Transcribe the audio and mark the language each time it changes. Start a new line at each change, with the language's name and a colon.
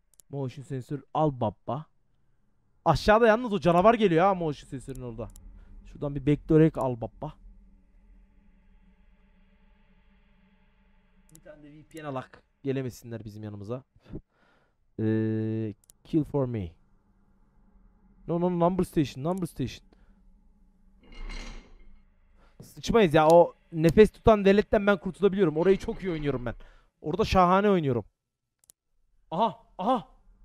Turkish: Motion sensör al baba. Aşağıda yalnız o canavar geliyor ha, motion sensörün orada. Şuradan bir backdoor hack al baba. de VPN alak. Gelemesinler bizim yanımıza.
English: Kill for me. No no, number station, number station.
Turkish: Sıçmayız ya, o nefes tutan veletten ben kurtulabiliyorum. Orayı çok iyi oynuyorum ben. Orada şahane oynuyorum. Aha, aha.